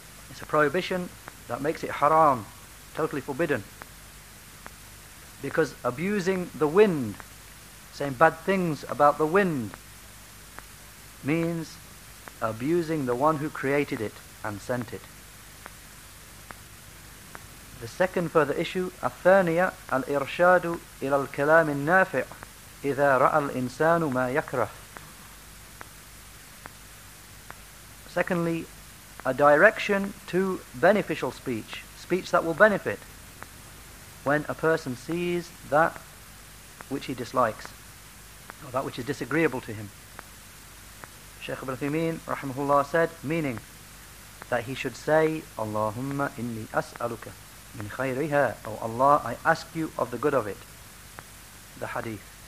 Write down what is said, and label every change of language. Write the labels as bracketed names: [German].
[English] It's a prohibition that makes it haram, totally forbidden. Because abusing the wind, saying bad things about the wind, means abusing the one who created it and sent it. The second further issue, [Arabic] الثانية الإرشاد إلى الكلام النافع إذا رأى الإنسان ما يكره. [English] Secondly, a direction to beneficial speech, speech that will benefit when a person sees that which he dislikes, or that which is disagreeable to him. Shaykh Ibn Uthaymeen, rahimahullah, said, meaning that he should say, [Arabic] Allahumma inni as'aluka min khayriha, [English] O Allah, I ask you of the good of it. The hadith.